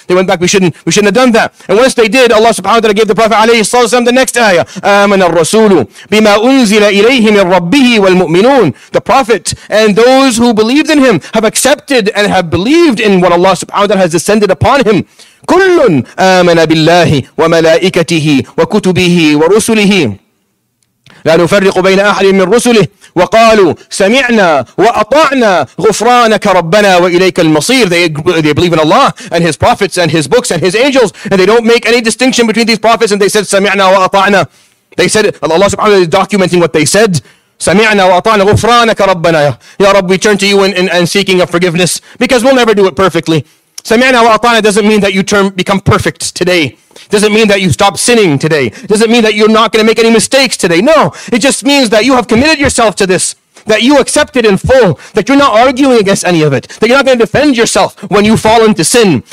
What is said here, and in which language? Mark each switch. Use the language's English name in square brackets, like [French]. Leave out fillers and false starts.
[English] They went back, we shouldn't have done that. And once they did, Allah subhanahu wa ta'ala gave the Prophet alayhi salallahu alayhi wa sallam the next ayah. [Arabic] آمَنَ الرَّسُولُ بِمَا أُنزِلَ إِلَيْهِ مِنْ رَبِّهِ وَالْمُؤْمِنُونَ. [English] The Prophet and those who believed in him have accepted and have believed in what Allah subhanahu wa ta'ala has descended upon him. [Arabic] كُلٌ آمَنَ بِاللَّهِ وَمَلَائِكَتِهِ وَكُتُبِهِ وَرُسُلِهِ لا نفرق بين أحد من رسله وقالوا سمعنا وأطعنا غفرانك ربنا وإليك المصير. [English] They believe in Allah and His prophets and His books and His angels, and they don't make any distinction between these prophets, and they said [Arabic] سمعنا وأطعنا. [English] They said, Allah subhanahu wa ta'ala is documenting what they said. [Arabic] سمعنا وأطعنا غفرانك ربنا. [English] Ya Rabbi, we turn to you in seeking of forgiveness, because we'll never do it perfectly. [Arabic] سمعنا وأطعنا [English] doesn't mean that you become perfect today. Doesn't mean that you stop sinning today. Doesn't mean that you're not going to make any mistakes today. No, it just means that you have committed yourself to this, that you accept it in full, that you're not arguing against any of it, that you're not going to defend yourself when you fall into sin.